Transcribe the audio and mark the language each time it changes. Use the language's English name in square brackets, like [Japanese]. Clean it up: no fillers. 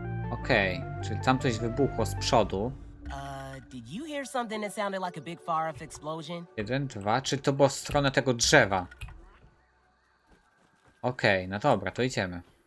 [Polish] Okej, okay. Czyli tam coś wybuchło z przodu. [English] Did you hear something that sounded like a big far off explosion? [Polish] 1, 2, czy to było w stronę tego drzewa? Okej, okay, no dobra, to idziemy.